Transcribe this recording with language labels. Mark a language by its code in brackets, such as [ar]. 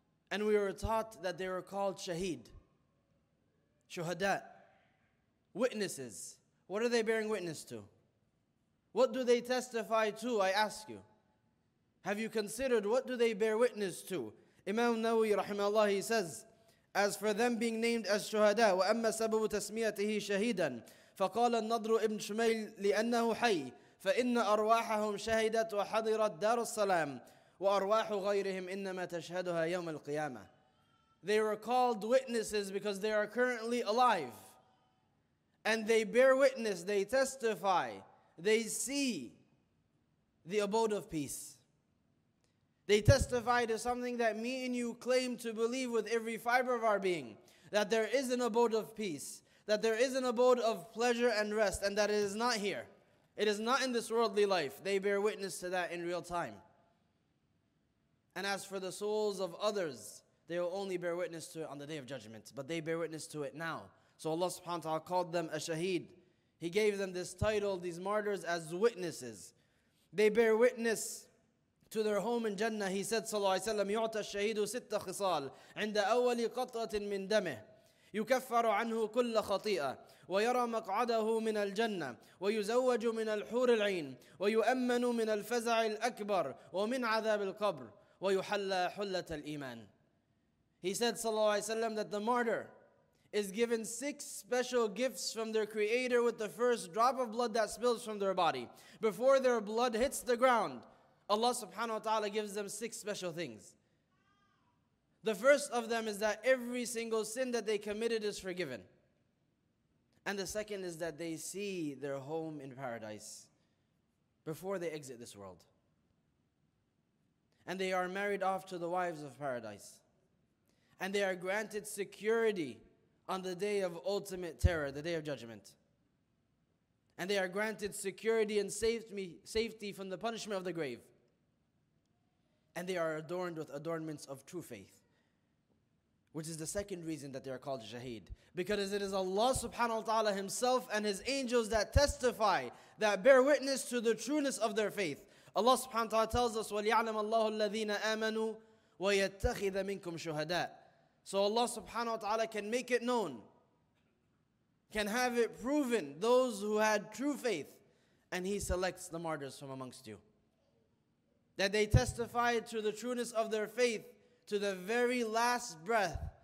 [en] And we were taught that they were called shaheed, shuhada, witnesses. What are they bearing witness to? What do they testify to, I ask you? Have you considered what do they bear witness to? Imam Nawawi, rahimahullah, he says, as for them being named as shuhada, [ar] wa amma sababu tasmiyatihi shahidan, فقال النضر ابن شميل لأنه حي فإن أرواحهم شهدت وحضرت دار السلام وأرواح غيرهم إنما تشهدها يوم القيامة. [en] They were called witnesses because they are currently alive. And they bear witness, they testify, they see the abode of peace. They testify to something that me and you claim to believe with every fiber of our being, that there is an abode of peace, that there is an abode of pleasure and rest, and that it is not here. It is not in this worldly life. They bear witness to that in real time. And as for the souls of others, they will only bear witness to it on the Day of Judgment, but they bear witness to it now. So Allah subhanahu wa ta'ala called them a shaheed. He gave them this title, these martyrs, as witnesses. They bear witness to their home in Jannah. He said, [ar] sallallahu alayhi wa sallam, يُعْتَ الشَّهِيدُ سِتَّ خِصَالٍ عِنْدَ أَوَّلِ قَطْرَةٍ مِّنْ دَمِهِ يُكَفَّرُ عَنْهُ كُلَّ خَطِيئَةٍ وَيَرَى مَقْعَدَهُ مِنَ الْجَنَّةِ وَيُزَوَّجُ مِنَ الْحُورِ الْعِينِ وَيُؤَمَّنُ مِنَ الْفَزَعِ الْأَكْبَرِ وَمِنْ عَذَابِ الْقَبْرِ وَيُحَلَّى حُلَّةَ الْإِيمَانِ. [en] He said, sallallahu alayhi wa sallam, that the martyr is given 6 special gifts from their creator with the first drop of blood that spills from their body. Before their blood hits the ground, Allah subhanahu wa ta'ala gives them 6 special things. The first of them is that every single sin that they committed is forgiven. And the second is that they see their home in paradise before they exit this world. And they are married off to the wives of paradise. And they are granted security on the day of ultimate terror, the Day of Judgment. And they are granted security and safety from the punishment of the grave. And they are adorned with adornments of true faith, which is the second reason that they are called shaheed. Because it is Allah subhanahu wa ta'ala himself and his angels that testify, that bear witness to the trueness of their faith. Allah subhanahu wa ta'ala tells us, [ar] وَلِيَعْلَمَ اللَّهُ الَّذِينَ آمَنُوا وَيَتَّخِذَ مِنْكُمْ شُهَدَاءَ. [en] So Allah subhanahu wa ta'ala can make it known, can have it proven, those who had true faith, and he selects the martyrs from amongst you. That they testify to the trueness of their faith to the very last breath.